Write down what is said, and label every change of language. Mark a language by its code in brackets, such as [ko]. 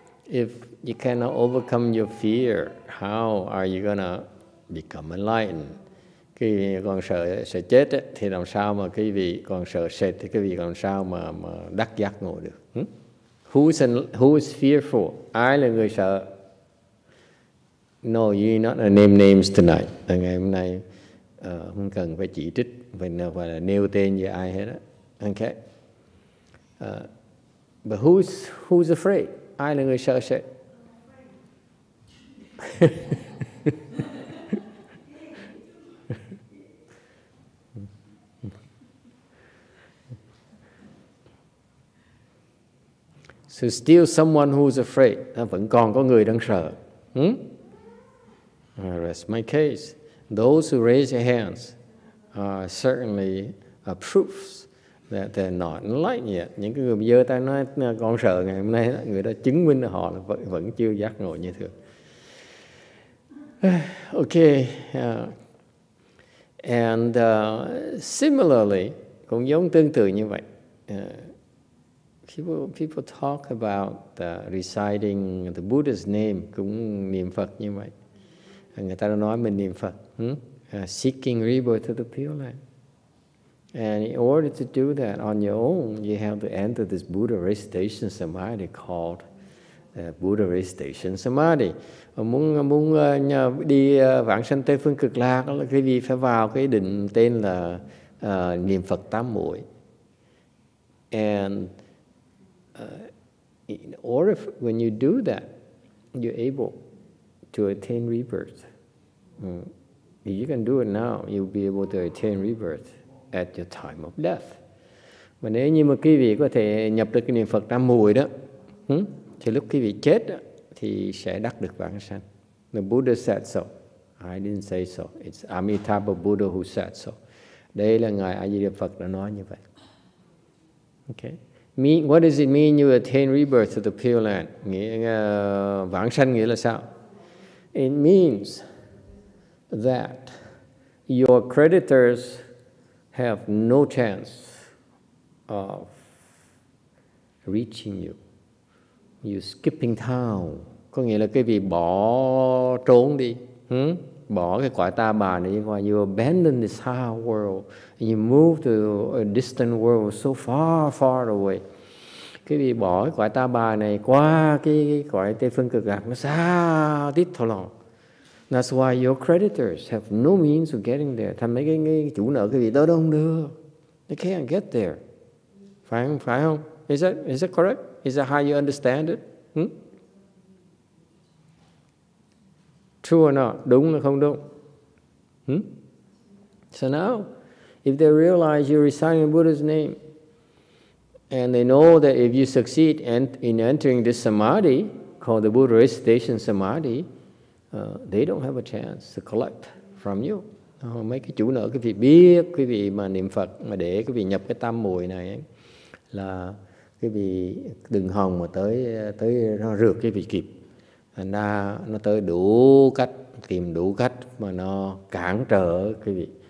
[en] If you cannot overcome your fear, how are you gonna become enlightened? [vi] Khi còn sợ chết ấy, thì làm sao mà quý vị còn sợ sệt, thì quý vị làm sao mà đắc giác ngộ được? [en] Who's fearful? [vi] Ai là người sợ? [en] No, you're not a name names tonight. [vi] Là ngày hôm nay không cần phải chỉ trích và là nêu tên với ai hết á. [en] Okay. But who's afraid? [vi] Ai là người sợ sệt? [en] So still someone who's afraid. [vi] Vẫn còn có người đang sợ. [en] I rest my case. Those who raise their hands are certainly a proof that they're not enlightened yet. [vi] Những cái người giơ tay nói còn sợ ngày hôm nay, người đó chứng minh họ là vẫn chưa giác ngộ như thường. [en] Okay. And similarly, [vi] cũng giống tương tự như vậy. [en] People talk about reciting the Buddha's name, [vi] cũng niệm Phật như vậy. Người ta đã nói mình niệm Phật. [en] Seeking rebirth of the Pure Land. And in order to do that on your own, you have to enter this Buddha recitation samadhi called Buddha recitation samadhi. Muốn đi vãng sanh Tây Phương Cực Lạc, quý vị phải vào cái định tên là niệm Phật tam muội. And in order for, when you do that, you're able to attain rebirth. Mm. If you can do it now, you'll be able to attain rebirth at your time of death. [vi] Và nếu như mà quý vị có thể nhập được cái niệm Phật tam muội đó, thì lúc quý vị chết đó, thì sẽ đắc được vãng sanh. [en] The Buddha said so. I didn't say so. It's Amitabha Buddha who said so. [vi] Đây là ngài A Di Đà Phật đã nói như vậy. [en] Okay. Mean, what does it mean you attain rebirth of the Pure Land? [vi] Nghĩa vãng sanh nghĩa là sao? [en] It means that your creditors have no chance of reaching you. You skipping town. [vi] Có nghĩa là cái vị bỏ trốn đi. Hmm? Bỏ cái quả ta bà này đi qua. [en] You abandon this higher world. You move to a distant world so far, far away. [vi] Cái vị bỏ cái quả ta bà này qua cái quả Tây Phương Cực Lạc. Nó xa tít thổ lòng. [en] That's why your creditors have no means of getting there. [vi] Thành mấy cái chủ nợ cái vị đó đâu không được. [en] They can't get there. [vi] Phải không? [en] Is that correct? Is that how you understand it? Hmm? True or not? [vi] Đúng hay không đúng? Hmm? [en] So now, if they realize you're reciting the Buddha's name, and they know that if you succeed in entering this samadhi, called the Buddha recitation samadhi, they don't have a chance to collect from you. [vi] Mấy cái chủ nợ, quý vị biết, quý vị mà niệm Phật, mà để quý vị nhập cái tam muội này, ấy, là quý vị đừng hòng mà tới nó rượt quý vị kịp. Thành ra nó tới đủ cách, tìm đủ cách mà nó cản trở quý vị.